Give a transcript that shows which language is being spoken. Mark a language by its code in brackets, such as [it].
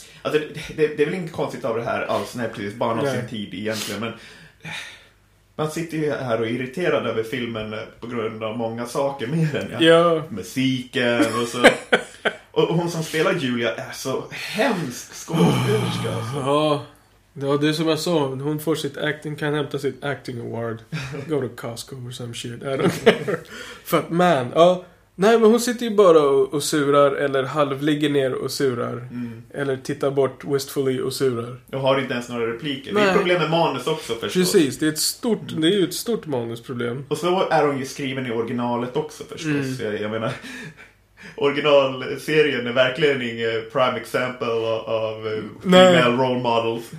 [sv] Alltså, det är väl inget konstigt av det här alls. Nej, precis. Barn av sin tid egentligen. Men man sitter ju här och är irriterad över filmen på grund av många saker mer än musiken och så. Och hon som spelar Julia är så hemsk skådespelerska. Ja, det är som jag sa. Hon får sitt acting, kan hämta sitt acting award. [en] Go to Costco or some shit. I don't care. [sv] För att man, nej, men hon sitter ju bara och surar. Eller halvligger ner och surar. Eller tittar bort wistfully och surar. Jag har inte ens några repliker. Nej. Det är problem med manus också förstås. Precis, det är ett stort, det är ju ett stort manusproblem. Och så är hon ju skriven i originalet också förstås. Jag menar, originalserien är verkligen ingen [en] prime example [sv] av [en] female role models.